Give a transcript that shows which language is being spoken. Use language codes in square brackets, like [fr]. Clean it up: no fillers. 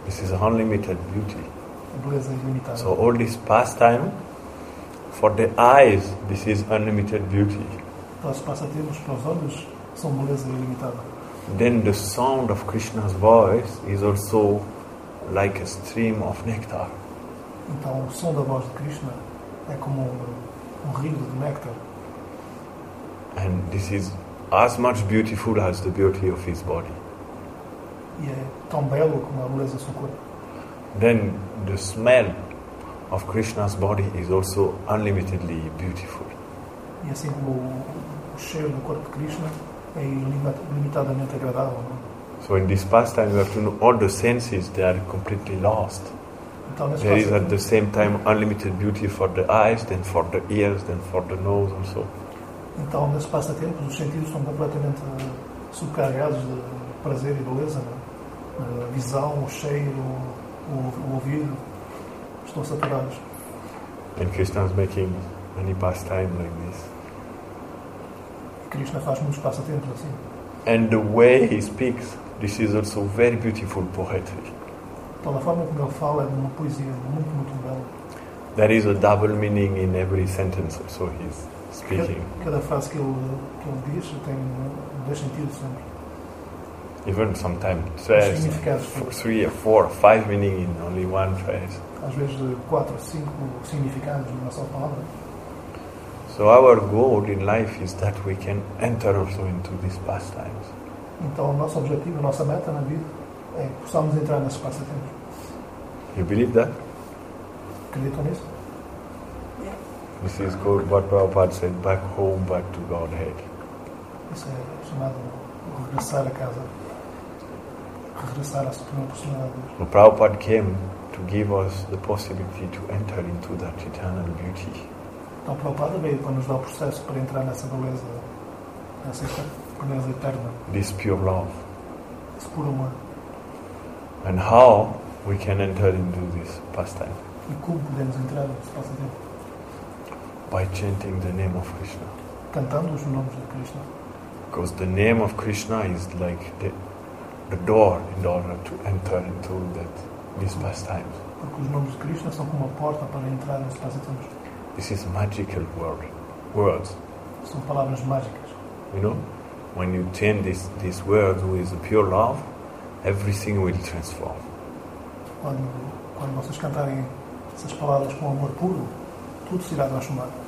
[en] This is unlimited beauty. [pt] A beleza ilimitada. [en] So all this pastime, for the eyes, this is unlimited beauty. [pt] Então os passatempos para os olhos são beleza ilimitada. [en] Then the sound of Krishna's voice is also like a stream of nectar. [pt] Então, o som da voz de Krishna é como um rio de néctar. [en] And this is as much beautiful as the beauty of his body. [pt] E é tão belo como a beleza do seu corpo. [en] Then the smell of Krishna's body is also unlimitedly beautiful. [pt] E assim como o cheiro do corpo de Krishna é ilimitadamente agradável. Não? [en] So in this pastime, we have to know all the senses, they are completely lost. [pt] Então, [en] there is at the same time unlimited beauty for the eyes, then for the ears, then for the nose also. [pt] Então, nesse passatempo, os sentidos são completamente subcarregados de prazer e beleza, né? Visão, o cheiro, o ouvido, estão saturados. [en] And Krishna is making many pastimes like this. [pt] Krishna faz muitos passatempos assim. [en] And the way he speaks, this is also very beautiful poetry. [pt] Então, a forma como ele fala é uma poesia muito, muito bela. [en] There is a double meaning in every sentence, so he's speaking. [pt] Cada frase que ele diz tem dois sentidos sempre. [en] Even sometimes three or four, five meanings in only one phrase. [pt] Às vezes quatro, cinco significados numa só palavra. [en] So our goal in life is that we can enter also into these pastimes. [pt] Então, o nosso objetivo, a nossa meta na vida é que possamos entrar nesse passatempo. [en] You believe that? [pt] Acredito nisso? [en] This is called what Prabhupada said, back home, back to Godhead. [pt] Isso é chamado regressar a casa. Regressar à Suprema Personalidade de Deus. [en] The Prabhupada came to give us the possibility to enter into that eternal beauty. [pt] Então o Prabhupada veio para nos dar o processo para entrar nessa beleza, nessa beleza eterna. [en] This pure love. [pt] Esse puro amor. [en] And how we can enter into this pastime? [pt] E como podemos entrar nesse passatempo? [en] By chanting the name of Krishna. [pt] Cantando os nomes de Krishna. [en] Because the name of Krishna is like the door in order to enter into this pastime. [pt] Porque os nomes de Krishna são como a porta para entrar nesse passatempo. [en] This is magical words. [pt] São palavras mágicas. [en] You know, when you chant these words with pure love, everything will transform. [pt] Quando vocês cantarem essas palavras com amor puro, tudo se irá transformar.